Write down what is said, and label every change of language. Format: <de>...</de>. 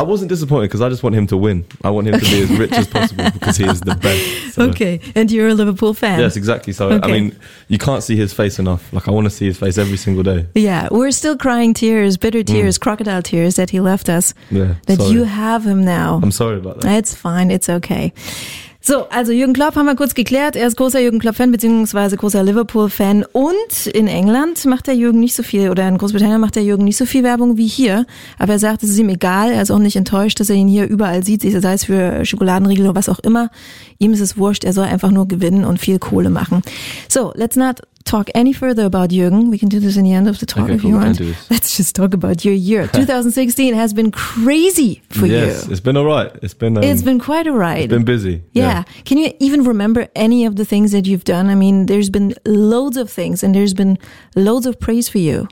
<en>I wasn't disappointed because I just want him to win. I want him to be as rich as possible because he is the best. So. Okay, and you're a Liverpool fan. Yes, exactly. So, okay. I mean, you can't see his face enough. Like, I want to see his face every single day. Yeah, we're still crying tears, bitter tears, crocodile tears that he left us. Yeah, that sorry. You have him now. I'm sorry about that. It's fine, it's okay.</en> <de>So, also Jürgen Klopp haben wir kurz geklärt. Er ist großer Jürgen Klopp-Fan beziehungsweise großer Liverpool-Fan. Und in England macht der Jürgen nicht so viel, oder in Großbritannien macht der Jürgen nicht so viel Werbung wie hier. Aber er sagt, es ist ihm egal. Er ist auch nicht enttäuscht, dass er ihn hier überall sieht, sei es für Schokoladenriegel oder was auch immer. Ihm ist es wurscht. Er soll einfach nur gewinnen und viel Kohle machen.</de> <en>So, let's not talk any further about Jürgen. We can do this in the end of the talk if you want. Let's just talk about your year. 2016 has been crazy for yes, you. Yes, it's been all right. It's been quite all right. It's been busy. Yeah. Can you even remember any of the things that you've done? I mean, there's been loads of things and there's been loads of praise for you.</en>